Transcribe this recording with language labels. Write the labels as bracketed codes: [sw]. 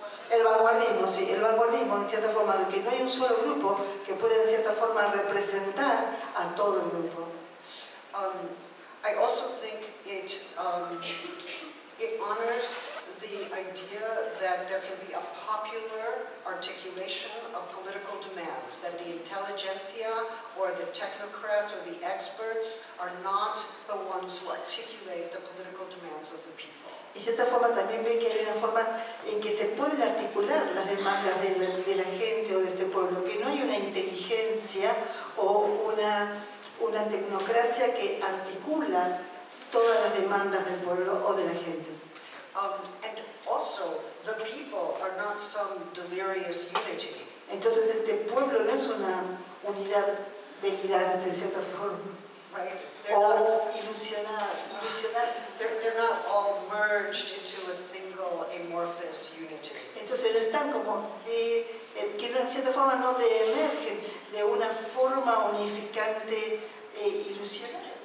[es] El vanguardismo, en cierta forma, de que no hay un solo grupo que pueda, en cierta forma, representar a todo el grupo. [en] I also think it honors the idea that there can be a popular articulation of political demands, that the intelligentsia or the technocrats or the experts are not the ones who articulate the political demands of the people. [es] Y de cierta forma también ve que hay una forma en que se pueden articular las demandas de la gente o de este pueblo, que no hay una inteligencia o una tecnocracia que articula todas las demandas del pueblo o de la gente. [en] And also, the people are not some delirious unity. [es] Entonces este pueblo no es una unidad delirante, en cierta forma. [en] They're not all merged into a single amorphous unity. [es] Entonces no están como que en cierta forma no emergen de una forma unificante ilusoria.